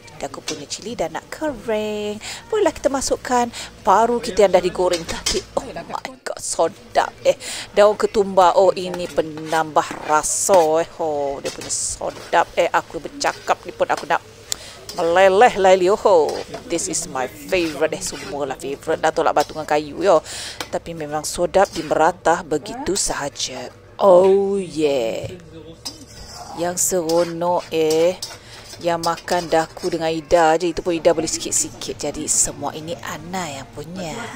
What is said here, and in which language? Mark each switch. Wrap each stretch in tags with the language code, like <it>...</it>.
<ms>Dia aku punya cili dah nak kering. Bolehlah kita masukkan paru kita yang dah digoreng tadi.</ms> <en>Oh my god,</en> <ms>sedap eh. Daun ketumbar. Oh, ini penambah rasa eh. Oh, dia punya sedap eh. Aku bercakap ni pun aku nak meleleh lah.</ms> <en>Oh, this is my favourite eh.</en> <ms>Semualah favourite. Dah tolak batu dengan kayu yo. Tapi memang sedap di meratah begitu sahaja.</ms> <en>Oh yeah.</en> <ms>Yang seronok eh. Yang makan daku dengan Ida je. Itu pun Ida boleh sikit-sikit. Jadi semua ini Ana yang punya.</ms>